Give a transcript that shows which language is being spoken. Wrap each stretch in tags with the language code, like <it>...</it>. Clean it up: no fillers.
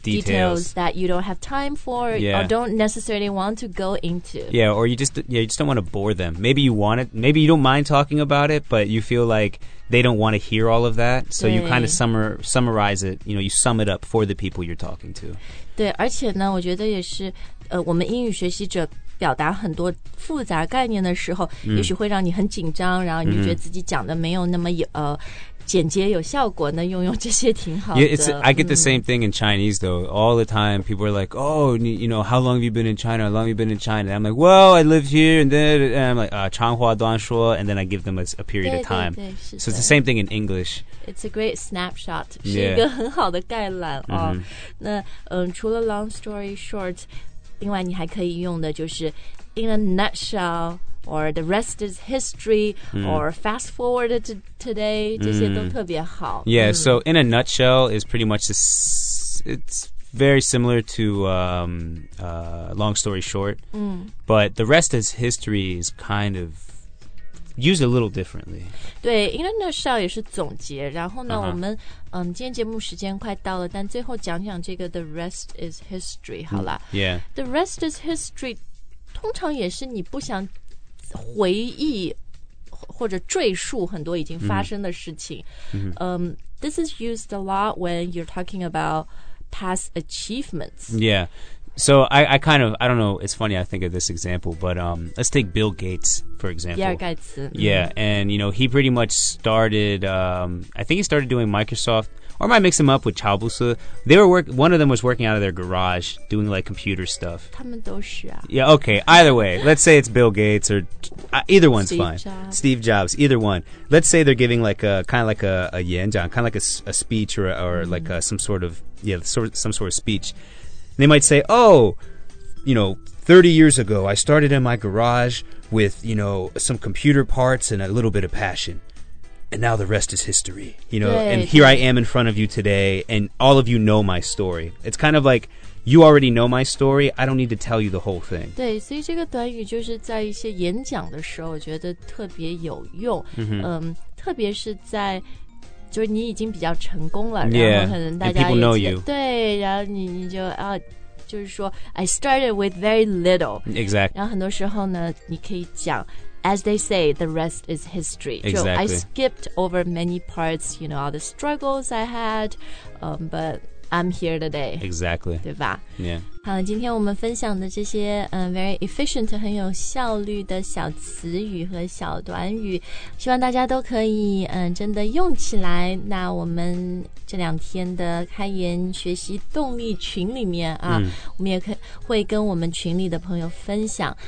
<en>details that you don't have time for、 yeah. or don't necessarily want to go into. Yeah, or you just don't want to bore them. Maybe you want it, maybe you don't mind talking about it, but you feel likethey don't want to hear all of that, so you kind of summarize it, you know, you sum it up for the people you're talking to.</en> <zh>对，而且呢，我觉得也是，我们英语学习者表达很多复杂概念的时候，也许会让你很紧张，然后你就觉得自己讲的没有那么简洁有效果，那用用这些挺好的。</zh> <en>Yeah, I get the same thing in Chinese, though. All the time, people are like, oh, you know, how long have you been in China? How long have you been in China? And I'm like, well, I live here, and then and I'm like,</en> <zh>长话短说,</zh> <en>and then I give them a period</en> <zh>对,</zh> <en>of time.</en> <zh>对, 对, 是的。</zh> <en>So it's the same thing in English. It's a great snapshot.</en> <zh>是一个很好的概览。</zh> <en>Yeah. 哦 mm-hmm.</en> <zh>那除了 long story short, 另外你还可以用的就是 in a nutshell,</zh> <en>or the rest is history,、</en> <zh>mm.</zh> <en>or fast forward to today,</en> <zh>这些都特别好。</zh> <en>Yeah,、mm. so in a nutshell is pretty much, it's very similar to long story short,、 mm. but the rest is history is kind of used a little differently.</en> <zh>对 in a nutshell 也是总结然后呢、uh-huh. 我们、今天节目时间快到了但最后讲讲这个 the rest is history, 好啦、</zh> <en>mm. Yeah.</en> <zh>The rest is history, 通常也是你不想回忆或者赘述很多已经发生的事情、 mm-hmm.</zh> <en>This is used a lot when you're talking about past achievements. Yeah, so I kind of, I don't know, it's funny I think of this example, but let's take Bill Gates, for example.</en> <zh>比尔盖茨</zh> <en>Yeah, and you know, he pretty much started, I think he started doing Microsoft, or I might mix him up with 乔布斯 They were one of them was working out of their garage, doing like computer stuff.</en> <zh>他们都是啊。</zh> <en>Yeah, okay, either way, let's say it's Bill Gates, or either one's fine. Steve Jobs, either one. Let's say they're giving like a, kind of like a 演讲, kind of like a speech or mm-hmm. like some sort of speech. They might say, oh, you know, 30 years ago, I started in my garage with, you know, some computer parts and a little bit of passion. And now the rest is history, you know, and here I am in front of you today, and all of you know my story. It's kind of like, you already know my story, I don't need to tell you the whole thing.</en> <zh>对，所以这个短语就是在一些演讲的时候，我觉得特别有用，特别是在，就是你已经比较成功了，然后可能大家</zh> <en>，and people know you.</en> <zh>对，然后你就啊，就是说，</zh> <en>I started with very little. Exactly.</en> <zh>然后很多时候呢，你可以讲</zh> <en>As they say, the rest is history. Exactly. So I skipped over many parts, you know, all the struggles I had, but I'm here today. Exactly.</en> <zh>对吧</zh> <en>Yeah.</en> <zh>好今天我们分享的这些、very efficient, 很有效率的小词语和小短语希望大家都可以、真的用起来。那我们这两天的开言学习动力群里面啊、我们也会跟我们群里的朋友分享。</zh>